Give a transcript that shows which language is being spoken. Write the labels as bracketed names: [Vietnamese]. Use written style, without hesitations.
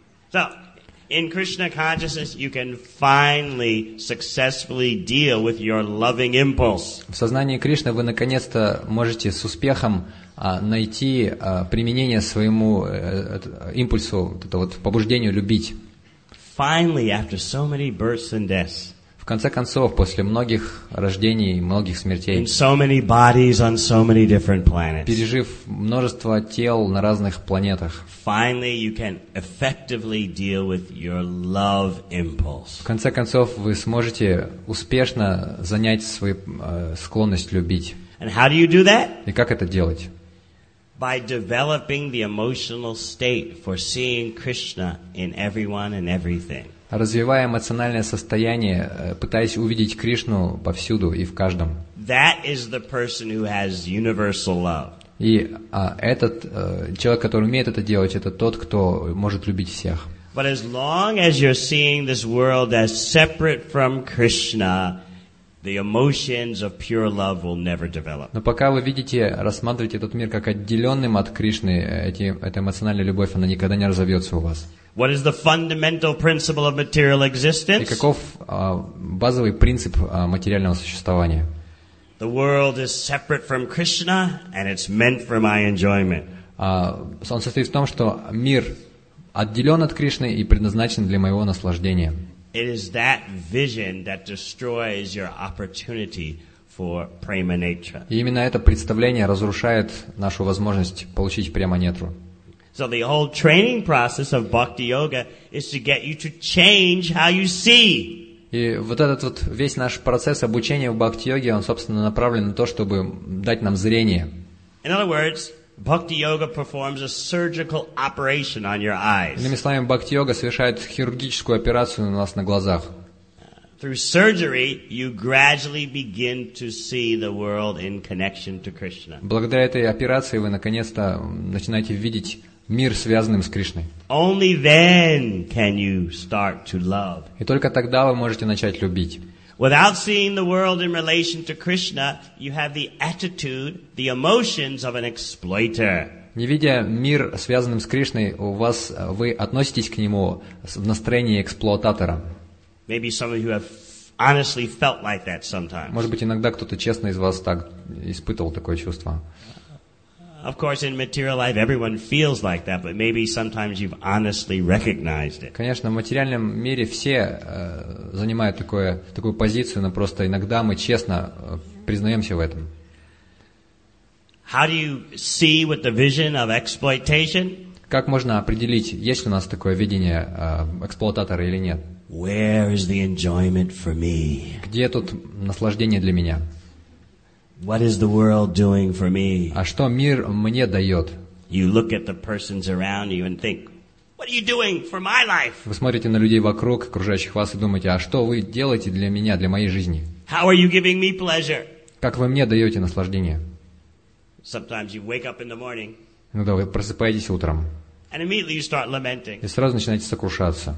[English] So, in Krishna consciousness, you can finally successfully deal with your loving impulse. [Russian] В сознании Кришны вы наконец-то можете с успехом найти применение своему импульсу, это вот побуждению любить. В конце концов, после многих рождений, многих смертей, пережив множество тел на разных планетах, в конце концов, вы сможете успешно занять свою склонность любить. И как это делать? [English] By developing the emotional state for seeing Krishna in everyone and everything. [Russian] Развивая эмоциональное состояние, пытаясь увидеть Кришну повсюду и в каждом. [English] That is the person who has universal love. [Russian] И этот человек, который умеет это делать, это тот, кто может любить всех. [English] But as long as you're seeing this world as separate from Krishna, the emotions of pure love will never develop. [Russian] Но пока вы видите, рассматриваете этот мир как отделенным от Кришны, эта эмоциональная любовь, она никогда не разовьется у вас. [English] What is the fundamental principle of material existence? [Russian] И каков базовый принцип материального существования? [English] The world is separate from Krishna, and it's meant for my enjoyment. [Russian] Он состоит в том, что мир отделен от Кришны и предназначен для моего наслаждения. [English] It is that vision that destroys your opportunity for prema-netra. [Russian] И именно это представление разрушает нашу возможность получить према-нетру. [English] So the whole training process of bhakti yoga is to get you to change how you see. [Russian] И вот этот вот весь наш процесс обучения в бхакти-йоге, он, собственно, направлен на то, чтобы дать нам зрение. [English] In other words, bhakti-yoga performs a surgical operation on your eyes. [Russian] Иными словами, бхакти-йога совершает хирургическую операцию у нас на глазах. [English] Through surgery, you gradually begin to see the world in connection to Krishna. [Russian] Благодаря этой операции вы наконец-то начинаете видеть мир, связанным с Кришной. [English] Only then can you start to love. [Russian] И только тогда вы можете начать любить. [English] Without seeing the world in relation to Krishna, you have the attitude, the emotions of an exploiter. [Russian] Не видя мир, связанным с Кришной, у вас вы относитесь к нему в настроении эксплуататора. [English] Maybe some of you have honestly felt like that sometimes. [Russian] Может быть, иногда кто-то честно из вас так испытывал такое чувство. [English] Of course, in material life, everyone feels like that, but maybe sometimes you've honestly recognized it. [Russian] Конечно, в материальном мире все занимают такую позицию, но просто иногда мы честно признаемся в этом. [English] How do you see with the vision of exploitation? [Russian] Как можно определить, есть ли у нас такое видение эксплуататора или нет? [English] Where is the enjoyment for me? [Russian] Где тут наслаждение для меня? [English] What is the world doing for me? [Russian] А что мир мне дает? [English] You look at the persons around you and think, what are you doing for my life? [Russian] Вы смотрите на людей вокруг, окружающих вас, и думаете, а что вы делаете для меня, для моей жизни? [English] How are you giving me pleasure? [Russian] Как вы мне даете наслаждение? [English] Sometimes you wake up in the morning. [Russian] Иногда вы просыпаетесь утром. [English] And immediately you start lamenting. [Russian] И сразу начинаете сокрушаться.